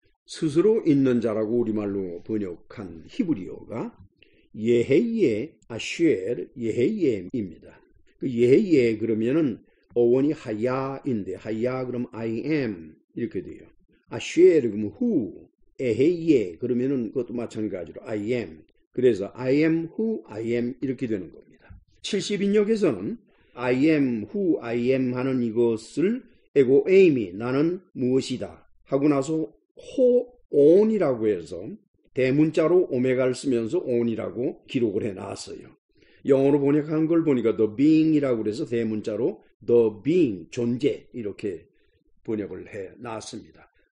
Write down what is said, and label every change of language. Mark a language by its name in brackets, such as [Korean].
[Korean] 스스로 있는 자라고 우리말로 번역한 히브리어가 예헤예 아쉐르 예헤예입니다. 그 예헤예 그러면은 어원이 하야인데 하야 그럼 [English] I am [Korean] 이렇게 돼요. 아쉐르 그럼 who 에헤예 그러면은 그것도 마찬가지로 [English] I am. [Korean] 그래서 [English] I am who I am [Korean] 이렇게 되는 겁니다. 70인역에서는 [English] I am who I am [Korean] 하는 이것을 에고 에이미 나는 무엇이다 하고 나서 호 온이라고 해서 대문자로 오메가를 쓰면서 온이라고 기록을 해놨어요. 영어로 번역한 걸 보니까 the being이라고 해서 대문자로 the being 존재 이렇게 번역을 해놨습니다.